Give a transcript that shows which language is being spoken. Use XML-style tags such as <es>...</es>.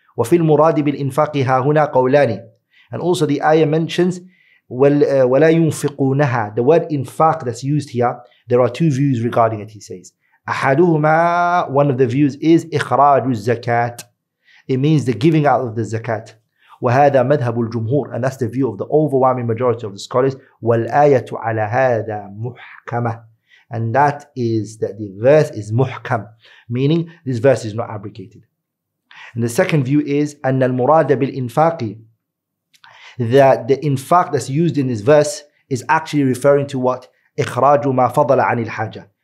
<ar>وفي المراد بالإنفاقها هنا قولان.</ar> <en>And also the ayah mentions ولا ينفقونها. The word infaq that's used here, there are two views regarding it, he says. أحدهما, one of the views is إخراج الزكاة. It means the giving out of the zakat. وهذا مذهب الجمهور, and that's the view of the overwhelming majority of the scholars. والآية على هذا محكمة, and that is that the verse is محكم, meaning this verse is not abrogated. And the second view is أن المراد بالإنفاق, that the infaq that's used in this verse is actually referring to what إخراج ما فضل عن الحاجة.</en>